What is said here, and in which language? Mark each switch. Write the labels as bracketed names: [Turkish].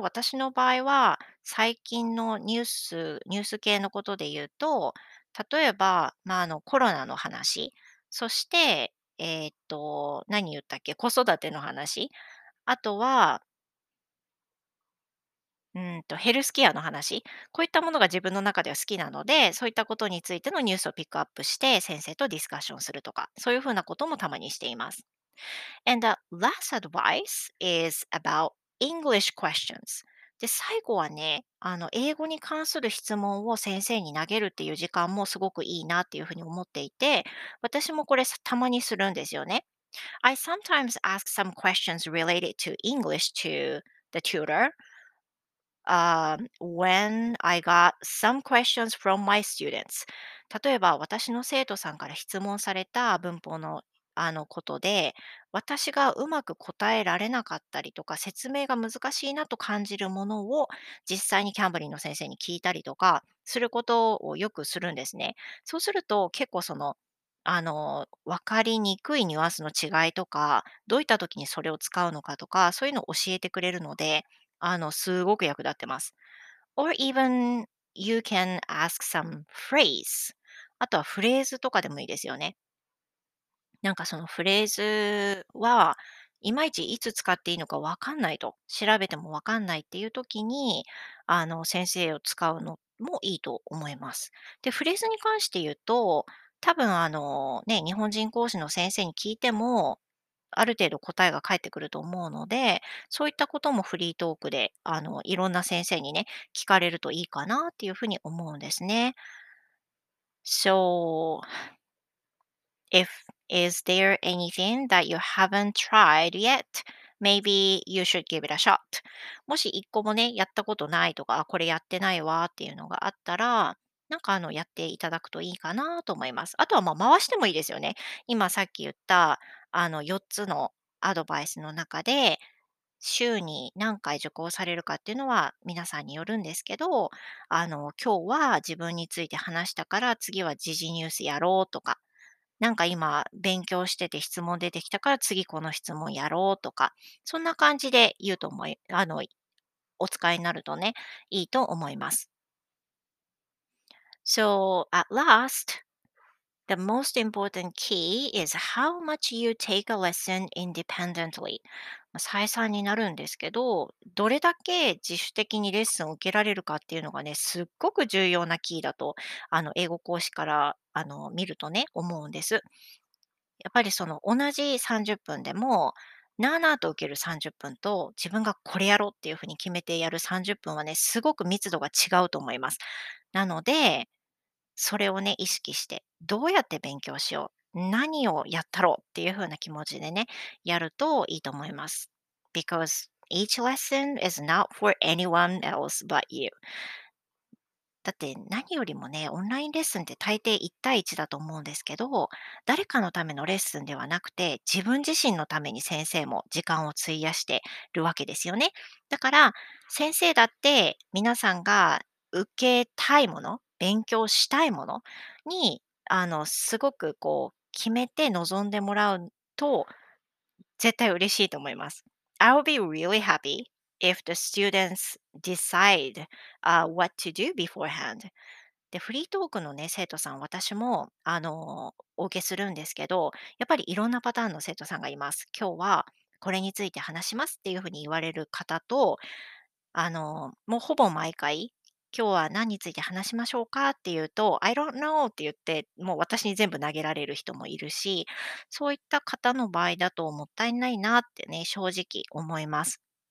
[Japanese] 私の場合は最近のニュース系のことで言うと、例えば、まあ、コロナの話、そして、何言ったっけ、子育ての話、あとは、ヘルスケアの話、こういったものが自分の中では好きなので、そういったことについてのニュースをピックアップして、先生とディスカッションするとか、そういうふうなこともたまにしています。 [English] And the last advice is aboutEnglish questions. [Japanese] で、最後はね、英語に関する質問を先生に投げるっていう時間もすごくいいなっていうふうに思っていて、私もこれたまにするんですよね。 [English] I sometimes ask some questions related to English to the tutor, when I got some questions from my students. [Japanese] 例えば、私の生徒さんから質問された文法のことで、私がうまく答えられなかったりとか、説明が難しいなと感じるものを実際にキャンブリーの先生に聞いたりとかすることをよくするんですね。そうすると結構分かりにくいニュアンスの違いとか、どういった時にそれを使うのかとか、そういうのを教えてくれるので、すごく役立ってます。 [English] Or even you can ask some phrase. [Japanese] あとはフレーズとかでもいいですよね。なんかそのフレーズはいまいちいつ使っていいのかわかんないと、調べてもわかんないっていう時に先生を使うのもいいと思います。で、フレーズに関して言うと、多分ね、日本人講師の先生に聞いてもある程度答えが返ってくると思うので、そういったこともフリートークでいろんな先生にね、聞かれるといいかなっていうふうに思うんですね。 [English] So, Is there anything that you haven't tried yet? Maybe you should give it a shot. [Japanese] もし一個もね、やったことないとか、これやってないわっていうのがあったら、なんかやっていただくといいかなと思います。あとはまあ回してもいいですよね。今さっき言った4つのアドバイスの中で、週に何回受講されるかっていうのは皆さんによるんですけど、今日は自分について話したから次は時事ニュースやろうとか、なんか今勉強してて質問出てきたから次この質問やろうとか、そんな感じで言うと思い、お使いになるとね、いいと思います。 [English] So, at last, the most important key is how much you take a lesson independently. [Japanese] 再三になるんですけど、どれだけ自主的にレッスンを受けられるかっていうのがね、すっごく重要なキーだと、英語講師から見るとね、思うんです。やっぱりその同じ30分でも、なあなあと受ける30分と、自分がこれやろうっていうふうに決めてやる30分はね、すごく密度が違うと思います。なので、それをね、意識して、どうやって勉強しよう、何をやったろうっていうふうな気持ちでね、やるといいと思います。 [English] Because each lesson is not for anyone else but you. [Japanese] だって何よりもね、オンラインレッスンって大抵1対1だと思うんですけど、誰かのためのレッスンではなくて、自分自身のために先生も時間を費やしてるわけですよね。だから先生だって皆さんが受けたいもの、勉強したいものにすごくこう決めて臨んでもらうと絶対嬉しいと思います。 [English] I'll be really happy if the students decide what to do beforehand. [Japanese] で、フリートークのね、生徒さん、私もお受けするんですけど、やっぱりいろんなパターンの生徒さんがいます。今日はこれについて話しますっていうふうに言われる方と、もうほぼ毎回、今日は何について話しましょうかっていうと、 [English] I don't know [Japanese] って言って、もう私に全部投げられる人もいるし、そういった方の場合だともったいないなってね、正直思います。